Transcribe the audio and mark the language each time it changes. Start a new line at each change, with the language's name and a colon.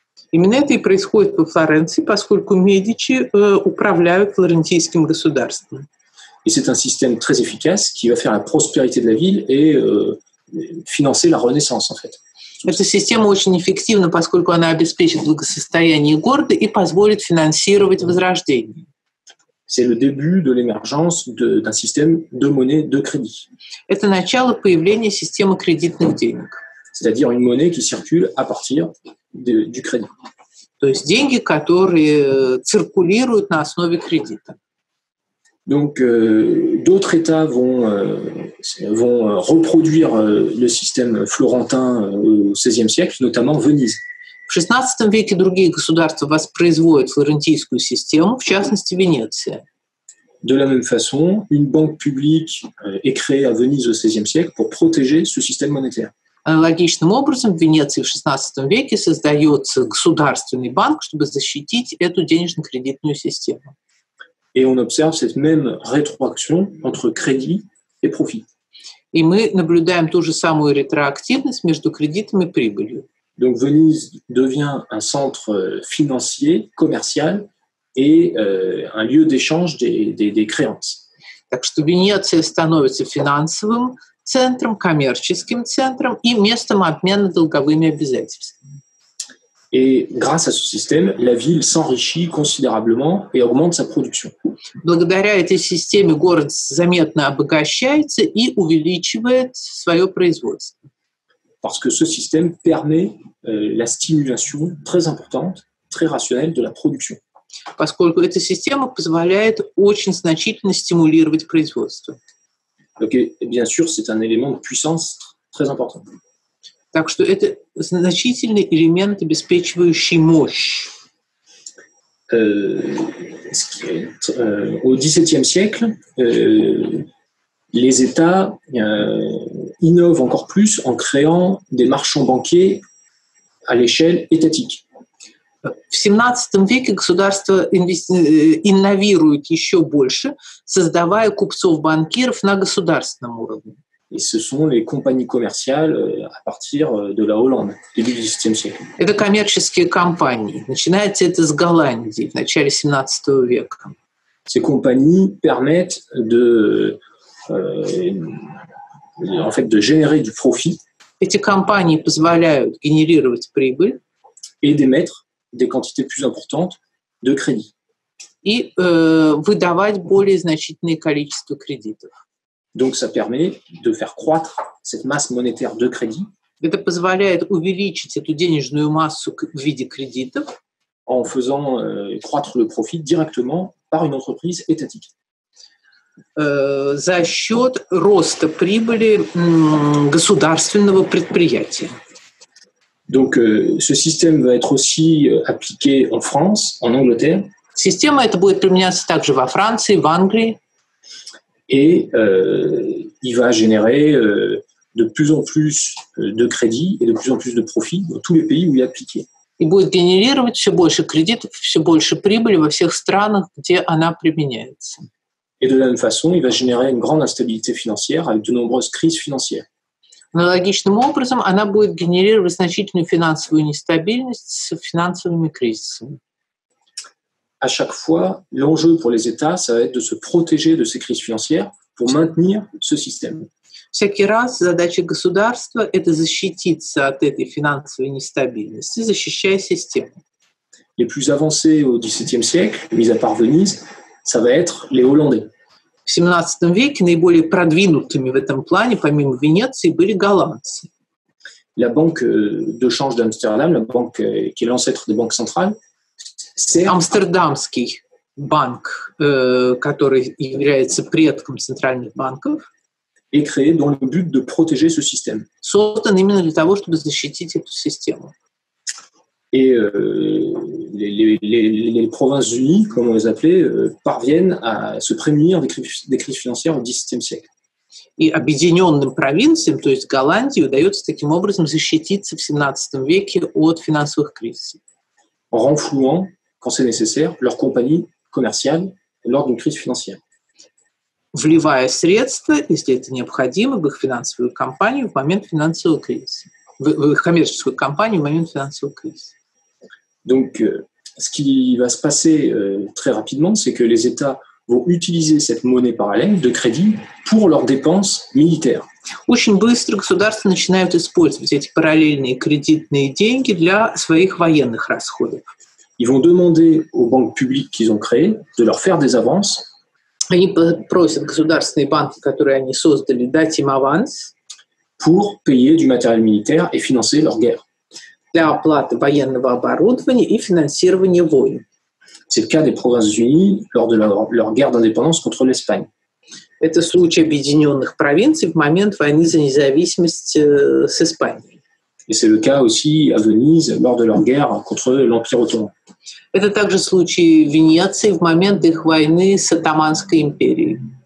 Russian: Именно это и происходит во Флоренции, поскольку Медичи управляют флорентийским государством.
French: Et c'est un système très efficace qui va faire la prospérité de la ville et financer la Renaissance, en fait.
Russian: Эта система очень эффективна, поскольку она обеспечит благосостояние города и позволит финансировать возрождение.
French: C'est le début de l'émergence d'un système de monnaie de crédit.
Russian: Это начало появления системы кредитных денег.
French: C'est-à-dire une monnaie qui circule à partir du crédit.
Russian: То есть деньги, которые циркулируют на основе кредита.
French: Donc d'autres États vont reproduire le système florentin au XVIe siècle, notamment Venise.
Russian: В XVI веке другие государства воспроизводят флорентийскую систему, в частности Венеция.
French: De la même façon, une banque publique est créée à Venise au XVIe siècle pour protéger ce système monétaire.
Russian: Аналогичным образом в Венеции в XVI веке создается государственный банк, чтобы защитить эту денежно-кредитную систему.
French: Et on observe cette même rétroaction entre crédit et profit.
Russian: И мы наблюдаем ту же самую ретроактивность между кредитом и прибылью.
French: Donc Venise devient un centre financier, commercial et un lieu d'échange des créances.
Russian: Так что Венеция становится финансовым центром, коммерческим центром и местом обмена долговыми обязательствами.
French: Et grâce à ce système, la ville s'enrichit considérablement et augmente sa production.
Russian: Благодаря этой системе город заметно обогащается и увеличивает свое производство.
French: Parce que ce système permet la stimulation très importante, très rationnelle de la production.
Russian: Поскольку эта система позволяет очень значительно стимулировать производство.
French: Ok, bien sûr, c'est un élément de puissance très important.
Russian: Так что это значительный элемент, обеспечивающий мощь.
French: au XVIIe siècle, les États innovent encore plus en créant des marchands banquiers à l'échelle étatique.
Russian: В XVII веке государства инновируют еще больше, создавая купцов-банкиров на государственном уровне.
French: Et ce sont les compagnies commerciales à partir de la Hollande, début du XVIIe siècle.
Russian: Это коммерческие компании. Начинается это с Голландии в начале XVII века.
French: Ces compagnies permettent de, en fait, de générer du profit.
Russian: Эти компании позволяют генерировать прибыль.
French: Et d'émettre des quantités plus importantes de crédits.
Russian: И выдавать более значительное количество кредитов.
French: Donc ça permet de faire croître cette masse monétaire de crédit.
Russian: Это позволяет увеличить эту денежную массу в виде кредитов.
French: En faisant croître le profit directement par une entreprise étatique.
Russian: За счет роста прибыли государственного предприятия.
French: Donc ce système va être aussi appliqué en France, en Angleterre.
Russian: Система эта будет применяться также во Франции, в Англии.
French: Et il va générer de plus en plus de crédits et de plus en plus de profits dans tous les pays où il est appliqué. Il
Russian: будет генерировать все больше кредитов, все больше прибыли во всех странах, где она применяется.
French: Et de la même façon, il va générer une grande instabilité financière avec de nombreuses crises financières.
Russian: Аналогичным образом, она будет генерировать значительную финансовую нестабильность с финансовыми кризисами.
French: À chaque fois, l'enjeu pour les États, ça va être de se protéger de ces crises financières pour maintenir ce système.
Russian: Всякий раз задача государства – это защититься от этой финансовой нестабильности, защищая систему.
French: Les plus avancés au XVIIe siècle, mis à part Venise, ça va être les Hollandais.
Russian: В XVII веке наиболее продвинутыми в этом плане, помимо Венеции, были голландцы.
French: La banque de change d'Amsterdam, la banque qui est l'ancêtre des banques centrales, c'est
Russian: Амстердамский банк, который является предком центральных банков,
French: est créé dans le but de protéger ce système.
Russian: Создан именно для того, чтобы защитить эту систему.
French: Et les provinces unies, comme on les appelait, parviennent à se prémunir des crises financières au XVIIe siècle.
Russian: И объединенным провинциям, то есть Голландии, удается таким образом защититься в XVII веке от финансовых кризисов.
French: En renflouant, quand c'est nécessaire, leur compagnie commerciale lors d'une crise financière.
Russian: Вливая средства, если это необходимо, в их финансовую компанию в момент финансового кризиса. В их коммерческую компанию в момент финансового кризиса.
French: Donc, ce qui va se passer très rapidement, c'est que les États vont utiliser cette monnaie parallèle de crédit pour leurs dépenses militaires.
Russian: Очень быстро государства начинают использовать эти параллельные кредитные деньги для своих военных расходов.
French: Ils vont demander aux banques publiques qu'ils ont créées de leur faire des avances.
Russian: Они просят государственные банки, которые они создали, дать им аванс.
French: Pour payer du matériel militaire et financer leur guerre.
Russian: Для оплаты военного оборудования и финансирования войн.
French: C'est le cas des provinces unies lors de leur guerre d'indépendance contre l'Espagne.
Russian: Это случай объединенных провинций в момент войны за независимость с Испанией.
French: Et c'est le cas aussi à Venise lors de leur guerre contre l'Empire ottoman.
Russian: Это также случай в Венеции в момент их войны с Оттоманской империей.